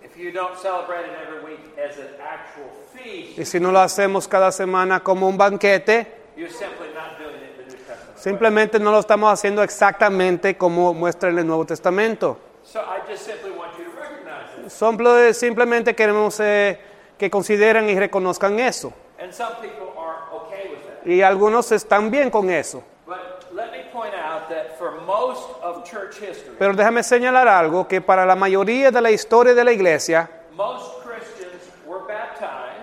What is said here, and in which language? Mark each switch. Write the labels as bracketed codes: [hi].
[en] If you don't celebrate it every week as an actual feast, [es] y si no lo hacemos cada semana como un banquete, [en] you're simply not doing it. [es] Simplemente no lo estamos haciendo exactamente como muestra en el Nuevo Testamento. [en] So I just simply want you to recognize it. [es] Simplemente queremos que consideren y reconozcan eso. [en] And some people are okay with that. [es] Y algunos están bien con eso. [en] But let me point out that for most of church history, [es] pero déjame señalar algo, que para la mayoría de la historia de la iglesia, [en] most Christians were baptized,